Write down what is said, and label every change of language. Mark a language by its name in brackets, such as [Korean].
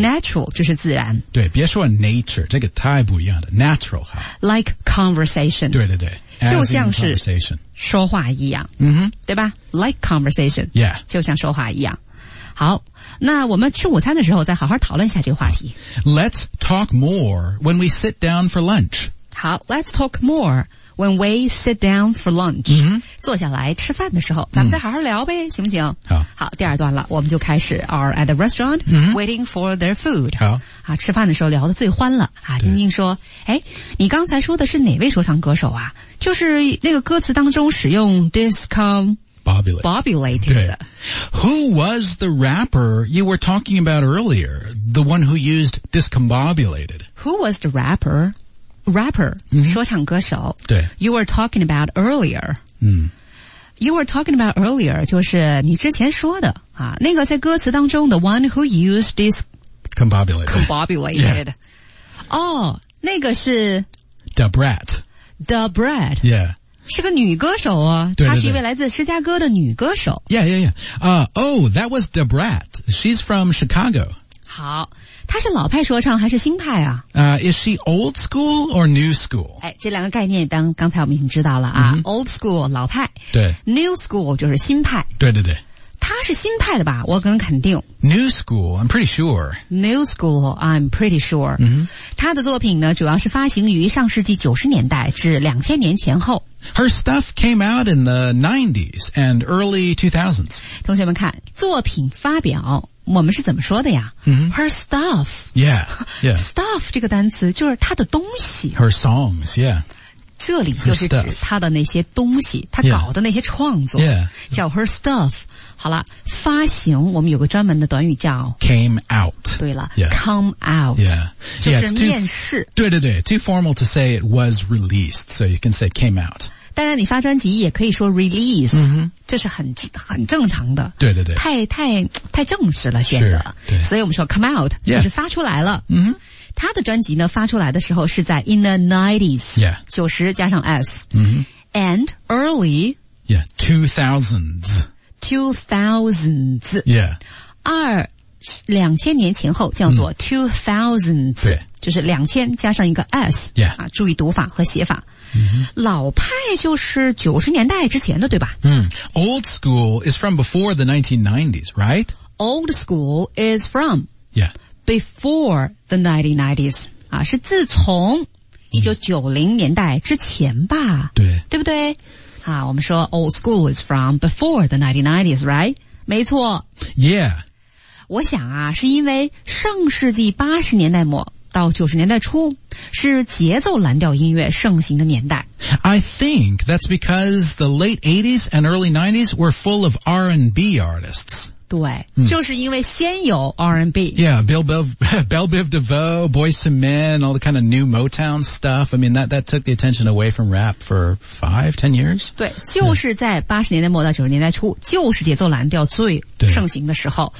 [Chinese] natural 就是自然。对，别说 nature， 这个太不一样了。Natural 好。 [English] Like conversation. [Chinese] 对对对，就像是说话一样。嗯哼，对吧 [English] ？Like conversation. Yeah. [Chinese] 就像说话一样。好，那我们吃午餐的时候再好好讨论一下这个话题。 [English] Let's talk more when we sit down for lunch. 好 ，Let's talk more. When we sit down for lunch,、 mm-hmm. [Chinese] 坐下来吃饭的时候咱们再好好聊呗、mm-hmm. 行不行好第二段了我们就开始 [English] are at the restaurant、 mm-hmm. waiting for their food [Chinese] 好、啊、吃饭的时候聊得最欢了、啊、丁丁说诶你刚才说的是哪位说唱歌手啊就是那个歌词当中使用 discombobulated [English] 对 Who was the rapper you were talking about earlier? The one who used discombobulated Who was the rapper? Rapper,、 mm-hmm. [Chinese] 说唱歌手对 [English] You were talking about earlier、 mm. You were talking about earlier [Chinese] 就是你之前说的、啊、那个在歌词当中 [English] The one who used this Combobulated [Chinese] 哦、yeah. oh, 那个是 [English] The Brat、yeah. [Chinese] 是个女歌手哦对对对她是一位来自芝加哥的女歌手 [English] Yeah, yeah, yeah、Oh, that was The Brat She's from Chicago [Chinese] 好他是老派说唱还是新派啊、 [English] Is she old school or new school? [Chinese] 哎，这两个概念当刚才我们已经知道了啊、 mm-hmm. [English] Old school, 老派 [Chinese] 对 New school 就是新派对对对他是新派的吧我跟肯定 [English] New school, I'm pretty sure New school, I'm pretty sure、 mm-hmm. [Chinese] 他的作品呢主要是发行于上世纪90年代至2000年前后 [English] Her stuff came out in the 90s and early 2000s [Chinese] 同学们看作品发表我们是怎么说的呀、 mm-hmm. [English] Her stuff yeah, yeah. [Chinese] Stuff 这个单词就是她的东西 [English] Her songs yeah. [Chinese] 这里就是指她的那些东西她搞的那些创作 [English] yeah. Yeah. [Chinese] 叫 her stuff 好了发行我们有个专门的短语叫 [English] Came out [Chinese] 对了、 [English] yeah. Come out yeah. [Chinese] Yeah, 就是面试 [English] too, [Chinese] 对对对 [English] Too formal to say it was released So you can say came out [Chinese] 当然你发专辑也可以说 release、 mm-hmm. 这是很正常的对对对太正式了显得所以我们说 come out、 [English] yeah. [Chinese] 就是发出来了、 mm-hmm. 他的专辑呢发出来的时候是在 [English] in the 90s、 yeah. [Chinese] 90加上 s、 mm-hmm. [English] and early yeah 2000s 2000s yeah [Chinese] 2000年前后叫做 2000s、 mm. 就是2000加上一个 s、 [English] yeah. [Chinese] 啊、注意读法和写法 Mm-hmm. 老派就是90年代之前的对吧、 mm. [English] Old school is from before the 1990s, right? Old school is from Yeah Before the 1990s、 [Chinese] 啊、是自从1990年代之前吧对、 mm. 对不对好、啊、我们说 [English] old school is from before the 1990s, right? [Chinese] 没错 [English] Yeah [Chinese] 我想啊是因为上世纪80年代末到90年代初是节奏蓝调音乐盛行的年代。 [English] I think that's because the late 80s and early 90s were full of R&B artists. [Chinese] 对、嗯、就是因为先有 R&B. [English] Yeah, Bill Biv DeVoe, Boyz II Men, all the kind of new Motown stuff. I mean, that took the attention away from rap for 5-10 years. [Chinese] 对就是在80年代末到90年代初就是节奏蓝调最盛行的时候。